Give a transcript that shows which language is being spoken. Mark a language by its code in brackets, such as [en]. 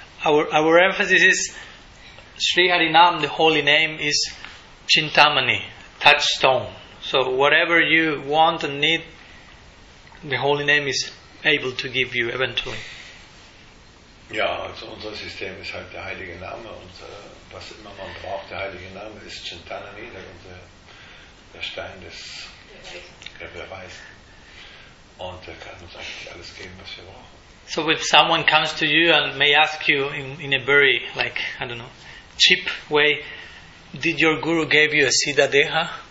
[en] Our emphasis is Sri Harinam, the holy name, is Chintamani, touchstone. So whatever you want and need, the holy name is able to give you eventually. [de] Ja, also unser System ist halt der Heilige Name und was immer man braucht, der Heilige Name ist Chintanami, der Stein des Beweisen. Und der kann uns eigentlich alles geben, was wir brauchen. [en] So if someone comes to you and may ask you in a very, like, I don't know, cheap way, did your guru give you a siddha-deha?